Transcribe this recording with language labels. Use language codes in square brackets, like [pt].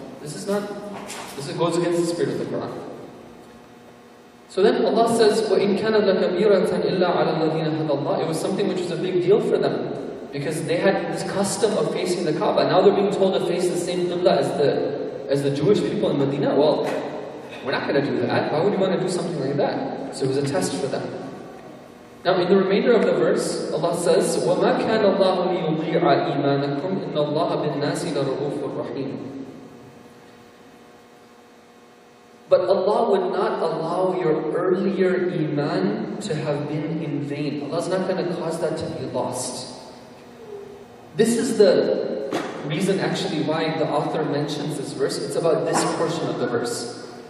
[en] This goes against the spirit of the Quran. So then Allah says, [ar] وَإِنْ كَانَ لَكَبِيرَةً إِلَّا عَلَى الَّذِينَ هَدَى اللَّهِ. [en] It was something which was a big deal for them, because they had this custom of facing the Kaaba. Now they're being told to face the same Qibla as the Jewish people in Medina. Well, we're not going to do that. Why would you want to do something like that? So it was a test for them. Now in the remainder of the verse, Allah says, [ar] وَمَا كَانَ اللَّهُ لِيُضِيعَ إِيمَانَكُمْ إِنَّ اللَّهَ بِالنَّاسِ لَرَءُوفٌ رَحِيمٌ. [en] But Allah would not allow your earlier iman to have been in vain. Allah is not going to cause that to be lost. This is the reason actually why the author mentions this verse. It's about this portion of the verse.